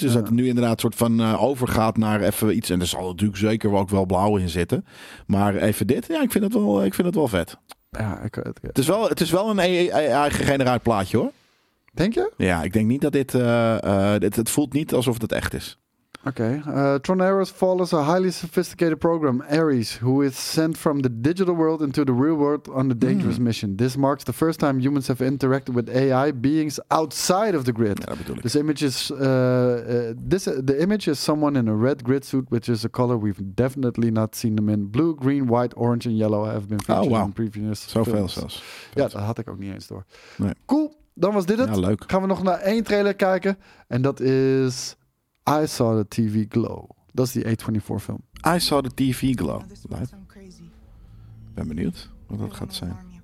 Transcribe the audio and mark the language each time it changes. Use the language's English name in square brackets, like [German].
[Dutch] Dus dat het nu inderdaad soort van overgaat naar even iets. En er zal natuurlijk zeker ook wel blauw in zitten. Maar even dit, ja, ik vind het wel vet. Ja, ik... Het is wel een AI-gegeneraard plaatje, hoor. Denk je? Ja, ik denk niet dat dit... het voelt niet alsof het echt is. [English] Okay. Tron Ares follows a highly sophisticated program, Ares, who is sent from the digital world into the real world on a dangerous mission. This marks the first time humans have interacted with AI beings outside of the grid. The image is someone in a red grid suit, which is a color we've definitely not seen them in. Blue, green, white, orange, and yellow have been featured in previous films. Oh, wow. [Dutch] Zoveel zelfs. Ja, dat had ik ook niet eens door. Nee. Cool. Dan was dit het. Ja, leuk. Gaan we nog naar één trailer kijken. En dat is... I Saw the TV Glow. Dat is die A24 film. I Saw the TV Glow. Ik ben benieuwd wat dat gaat zijn.